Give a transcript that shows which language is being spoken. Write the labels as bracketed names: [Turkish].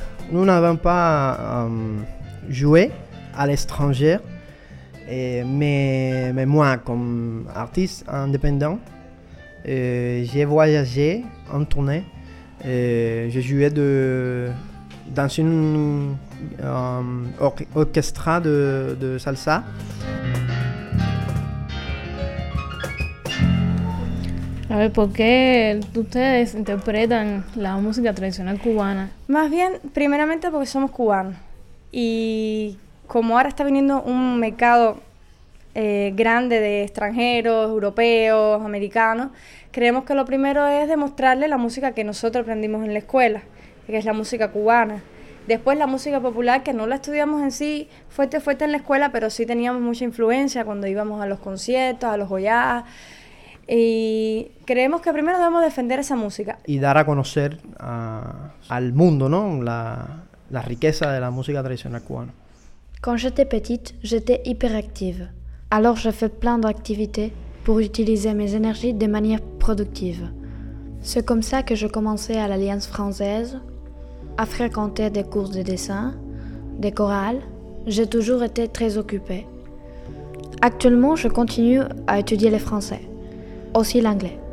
[French] Nous n'avons pas joué à l'étranger, mais moi, comme artiste indépendant, j'ai voyagé en tournée. J'ai joué dans une orchestra de salsa. [Spanish] A ver, ¿por qué ustedes interpretan la música tradicional cubana? Más bien, primeramente porque somos cubanos. Y como ahora está viniendo un mercado grande de extranjeros, europeos, americanos, creemos que lo primero es demostrarles la música que nosotros aprendimos en la escuela, que es la música cubana. Después la música popular, que no la estudiamos en sí fuerte fuerte en la escuela, pero sí teníamos mucha influencia cuando íbamos a los conciertos, a los joyas. Y creemos que primero debemos defender esa música. Y dar a conocer al mundo, ¿no? La riqueza de la música tradicional cubana. [French] Quand j'étais petite, j'étais hyperactive. Alors j'ai fait plein d'activités pour utiliser mes énergies de manière productive. C'est comme ça que je commençais à l'Alliance française, à fréquenter des cours de dessin, des chorales. J'ai toujours été très occupée. Actuellement, je continue à étudier le français. Aussi l'anglais.